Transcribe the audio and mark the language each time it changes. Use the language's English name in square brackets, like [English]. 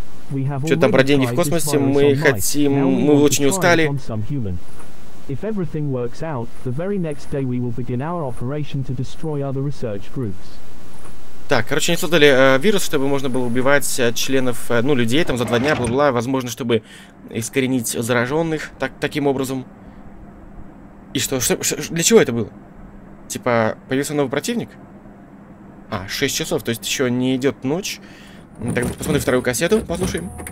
[Russian] Что-то там про деньги в космосе, мы хотим, мы очень устали. [English] If everything works out, the very next day we will begin our operation to destroy other research groups. [Russian] Так, короче, они создали вирус, чтобы можно было убивать членов, ну, людей, там, за 2 дня, бла-бла, возможно, чтобы искоренить зараженных, так, таким образом. И что, для чего это было? Типа, появился новый противник? А, 6 часов, то есть еще не идет ночь. Так, посмотрим вторую кассету, послушаем.